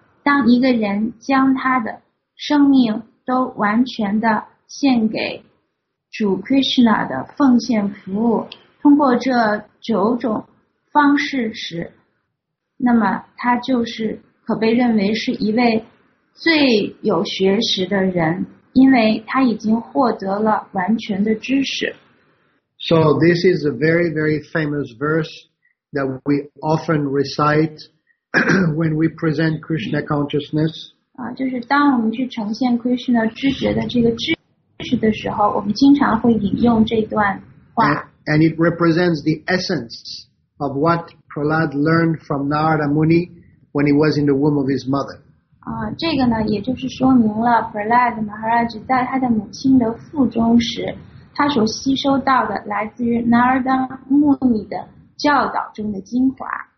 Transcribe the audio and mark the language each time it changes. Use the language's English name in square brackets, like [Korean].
[Chinese] 当一个人将他的生命都完全的献给主 Krishna 的奉献服务，通过这九种方式时，那么他就是可被认为是一位最有学识的人，因为他已经获得了完全的知识。 [English] So this is a very, very famous verse that we often recite when we present Krishna consciousness. [Chinese] 就是当我们去呈现 Krishna 知觉的这个知识的时候，我们经常会引用这段话。 [English] And it represents the essence of what Prahlad learned from Narada Muni when he was in the womb of his mother. [Chinese] 这个呢，也就是说明了 Prahlad Maharaj 在他的母亲的腹中时，他所吸收到的来自于 Narada Muni 的教导中的精华。